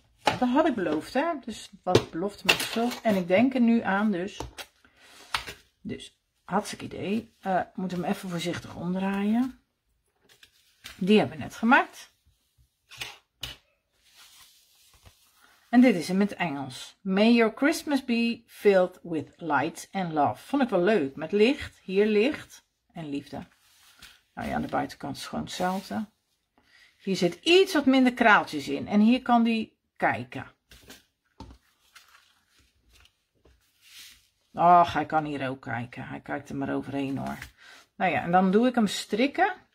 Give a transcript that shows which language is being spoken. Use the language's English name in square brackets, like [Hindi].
[Dutch] Dat had ik beloofd, hè. Dus wat belofte mag vervuld. En ik denk er nu aan, dus. Dus, hartstikke idee. Moet hem even voorzichtig omdraaien. Die hebben we net gemaakt. En dit is hem in het Engels. [English] May your Christmas be filled with light and love. [Dutch] Vond ik wel leuk. Met licht, hier licht en liefde. Nou ja, aan de buitenkant is gewoon hetzelfde. Hier zit iets wat minder kraaltjes in. En hier kan die kijken. Och, hij kan hier ook kijken. Hij kijkt er maar overheen hoor. Nou ja, en dan doe ik hem strikken.